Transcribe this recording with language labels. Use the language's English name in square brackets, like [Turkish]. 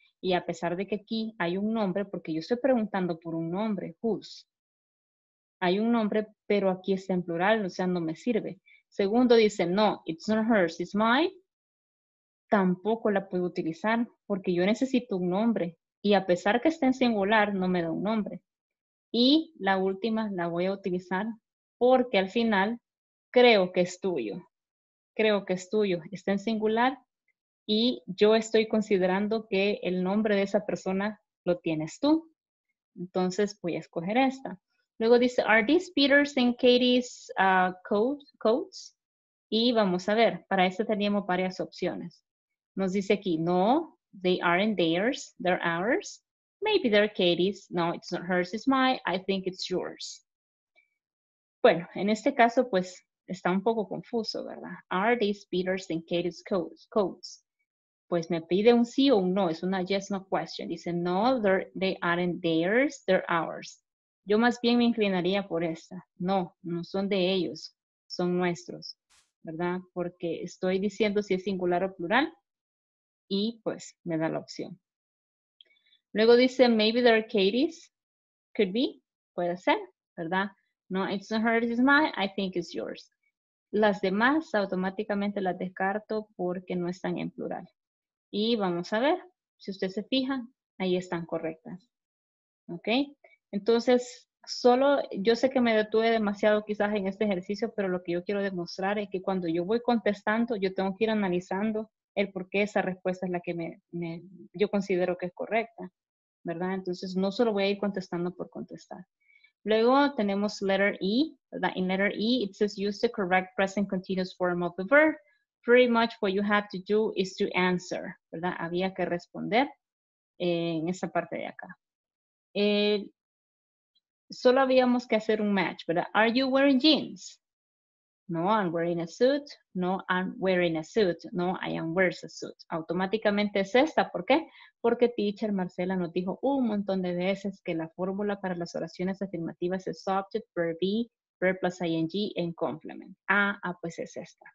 [Spanish] Y a pesar de que aquí hay un nombre, porque yo estoy preguntando por un nombre, whose. Hay un nombre, pero aquí está en plural, o sea, no me sirve. Segundo dice, [English] no, it's not hers, it's mine. [Spanish] Tampoco la puedo utilizar porque yo necesito un nombre. Y a pesar que esté en singular, no me da un nombre. Y la última la voy a utilizar porque al final creo que es tuyo. Creo que es tuyo. Está en singular y yo estoy considerando que el nombre de esa persona lo tienes tú. Entonces voy a escoger esta. Luego dice, [English] are these Peter's and Katie's coats? [Spanish] Y vamos a ver, para eso teníamos varias opciones. Nos dice aquí, [English] no, they aren't theirs, they're ours. Maybe they're Katie's. No, it's not hers, it's mine. I think it's yours. [Spanish] Bueno, en este caso, pues, está un poco confuso, ¿verdad? [English] Are these Peter's and Katie's coats? [Spanish] Pues me pide un sí o un no, es una [English] yes, no question. [Spanish] Dice, [English] no, they aren't theirs, they're ours. [Spanish] Yo más bien me inclinaría por esta. No, no son de ellos, son nuestros, ¿verdad? Porque estoy diciendo si es singular o plural y pues me da la opción. Luego dice, [English] maybe they're Katie's, could be, [Spanish] puede ser, ¿verdad? [English] No, it's not hers, it's mine, I think it's yours. [Spanish] Las demás automáticamente las descarto porque no están en plural. Y vamos a ver, si usted se fija, ahí están correctas. ¿Ok? Entonces, solo, yo sé que me detuve demasiado quizás en este ejercicio, pero lo que yo quiero demostrar es que cuando yo voy contestando, yo tengo que ir analizando el por qué esa respuesta es la que yo considero que es correcta. ¿Verdad? Entonces, no solo voy a ir contestando por contestar. Luego tenemos letter E, ¿verdad? [English] In letter E, it says use the correct present continuous form of the verb. Pretty much what you have to do is to answer, ¿verdad? [Spanish] Había que responder en esa parte de acá. Solo habíamos que hacer un match, ¿verdad? [English] Are you wearing jeans? No, I'm wearing a suit. No, I'm wearing a suit. No, I am wears a suit. [Spanish] Automáticamente es esta, ¿por qué? Porque teacher Marcela nos dijo un montón de veces que la fórmula para las oraciones afirmativas es [English] subject, verb be, verb plus ing, and complement. [Spanish] Pues es esta.